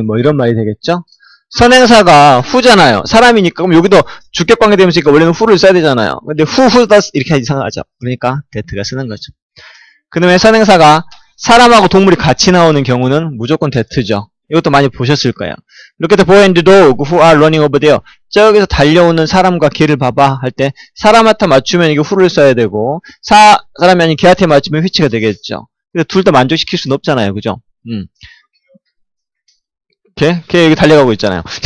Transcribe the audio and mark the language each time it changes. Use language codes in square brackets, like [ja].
[ko] 뭐 이런 말이 되겠죠? 선행사가 후잖아요. 사람이니까. 그럼 여기도 주격 관계되면서 원래는 후를 써야 되잖아요. 근데 후 does 이렇게 이상하죠. 그러니까 that가 쓰는 거죠. 그 다음에 선행사가 사람하고 동물이 같이 나오는 경우는 무조건 that죠. 이것도 많이 보셨을 거예요. [en] Look at the boy and the dog who are running over there. [ko] 저기서 달려오는 사람과 개를 봐봐 할 때 사람한테 맞추면 이게 후를 써야 되고 사람이 아닌 개한테 맞추면 which가 되겠죠. 근데 둘 다 만족시킬 수는 없잖아요, 그죠? 걔? 걔 여기 달려가고 있잖아요.